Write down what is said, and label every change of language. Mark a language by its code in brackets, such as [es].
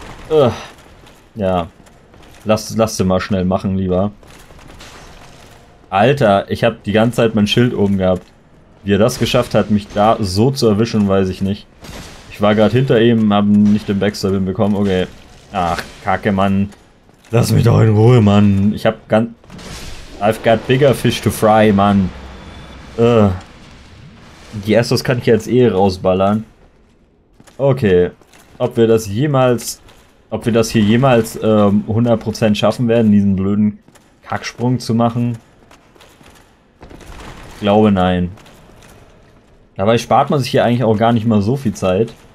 [de] Ugh. Ja, lass den mal schnell machen, lieber. Alter, ich habe die ganze Zeit mein Schild oben gehabt. Wie er das geschafft hat, mich da so zu erwischen, weiß ich nicht. Ich war gerade hinter ihm, habe nicht den Backstab hinbekommen. Okay. Ach, Kacke, Mann. Lass mich doch in Ruhe, Mann. Ich habe ganz... [en] I've got bigger fish to fry, Mann. [de] Die Estos kann ich jetzt eh rausballern. Okay. Ob wir das hier jemals 100% schaffen werden, diesen blöden Kacksprung zu machen? Ich glaube, nein. Dabei spart man sich hier eigentlich auch gar nicht mal so viel Zeit.